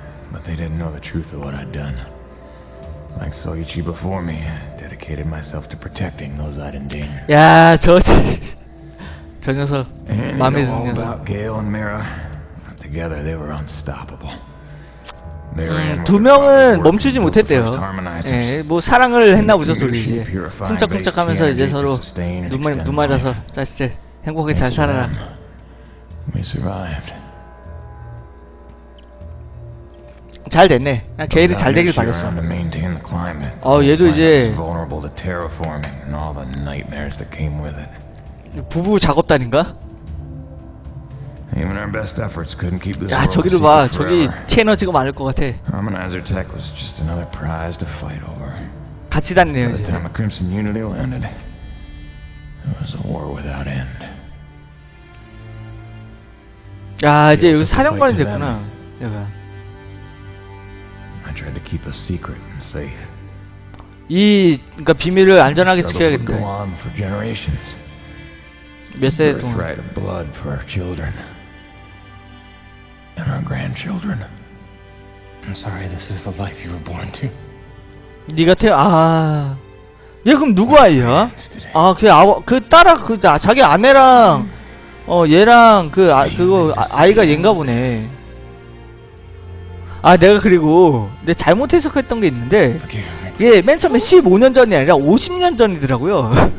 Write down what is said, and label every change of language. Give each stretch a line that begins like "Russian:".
English: But they didn't know the truth of what I'd done. Like Soichi before me, I dedicated myself to protecting those I'd in danger.
Korean: 야 저 저 녀석 마음에 드는 녀석.
English: About Gale and Mira. Together, they were unstoppable.
Korean: 두 명은 멈추지 못했대요. 예, 뭐 사랑을 했나 보죠, 둘이. 흠쩍흠쩍하면서 이제 서로 눈 맞아서 자 이제 행복하게 잘 살아라.
English: We survived.
Korean: 잘 됐네. 게일이 잘 되길 바랬어. 어, 얘도 이제
English: vulnerable to terraforming and all the nightmares that came with it.
Korean: 부부 작업단인가?
English: Even our best efforts couldn't keep this.
Korean: 야 저기도 봐, 저기 티에너지가 많을 것 같아.
English: Harmonizer Tech was just another prize to fight over.
Korean: 같이 다니네요.
English: By the time a Crimson Unity landed, it was a war without end.
Korean: 야 이제 여기 사령관이 됐구나, 내가.
English: I tried to keep a secret and safe.
Korean: 이 그러니까 비밀을 안전하게 지켜야겠네.
English: Go on for generations.
Korean: 몇 세 동안.
English: Birthright of blood for our children. And our grandchildren. I'm sorry, this is the life you were born to.
Korean: 네가 태어 아, 얘 그럼 누구 아이야? 아, 그 아, 그 딸아, 그 자기 아내랑 어 얘랑 그 아, 그거 아, 아이가 얘인가 보네. 아, 내가 그리고 내 잘못 해석했던 게 있는데, 이게 맨 처음에 15년 전이 아니라 50년 전이더라고요.